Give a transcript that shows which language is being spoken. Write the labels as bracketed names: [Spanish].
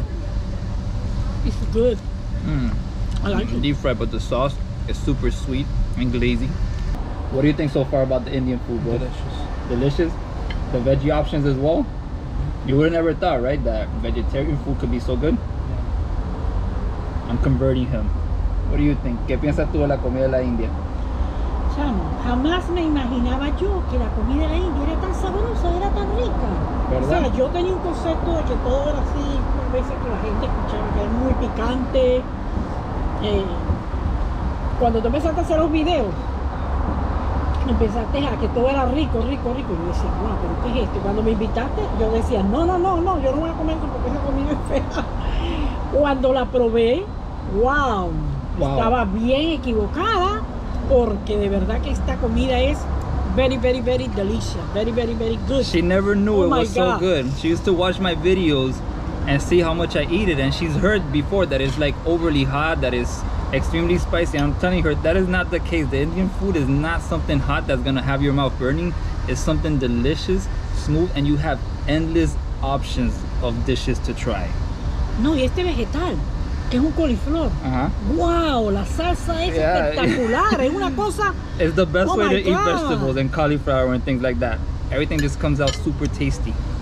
[English] Yeah. It's good. I like it. Deep fried, but the sauce is super sweet and glazy. What do you think so far about the Indian food, bro? Delicious. Delicious? The veggie options as well? You would have never thought, right, that vegetarian food could be so good? Yeah. I'm converting him. What do you think? [Spanish] ¿Qué piensas tú de la comida de la India? Chamo, jamás me imaginaba yo que la comida de la India era tan sabrosa, era tan rica. ¿Verdad? O sea, yo tenía un concepto de que todo era así, por veces que la gente escuchaba que era muy picante. Cuando tú empezaste a hacer los videos, empezaste a que todo era rico, rico, rico. Y yo decía, wow, pero ¿qué es esto? Cuando me invitaste, yo decía, no, yo no voy a comer esto porque esa comida es fea. Cuando la probé, wow. Estaba bien equivocada porque de verdad que esta comida es [English] very, very, very delicious. [Spanish] Very, very, very good. [English] She never knew it was so good. She used to watch my videos and see how much I eat it. And she's heard before that it's like overly hot, that it's extremely spicy. I'm telling her that is not the case. The Indian food is not something hot that's gonna have your mouth burning. It's something delicious, smooth, and you have endless options of dishes to try. [Spanish] No, y este vegetal, que es un coliflor. Wow, la salsa es espectacular. Es una cosa. [English] It's the best way to eat vegetables and cauliflower and things like that. Everything just comes out super tasty.